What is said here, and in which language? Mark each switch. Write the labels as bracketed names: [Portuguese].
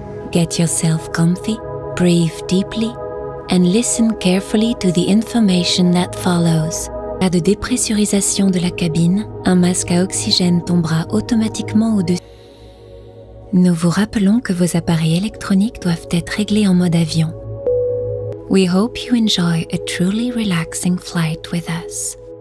[English] Get yourself comfy, breathe deeply, and listen carefully to the information that follows. [French] Pas de dépressurisation de la cabine, un masque à oxygène tombera automatiquement au-dessus. Nous vous rappelons que vos appareils électroniques doivent être réglés en mode avion. [English] We hope you enjoy a truly relaxing flight with us.